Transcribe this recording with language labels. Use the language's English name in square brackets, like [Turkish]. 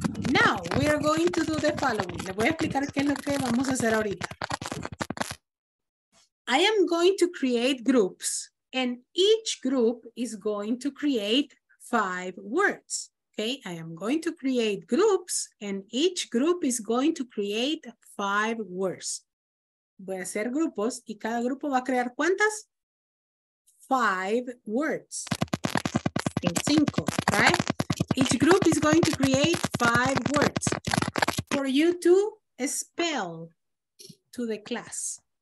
[English] Now, we are going to do the following. [Spanish] Les voy a explicar qué es lo que vamos a hacer ahorita. [English] I am going to create groups, and each group is going to create 5 words. Okay, I am going to create groups, and each group is going to create 5 words. [Spanish] Voy a hacer grupos, y cada grupo va a crear ¿cuántas? [English] 5 words. 5, right? Each group is going to create 5 words for you to spell to the class.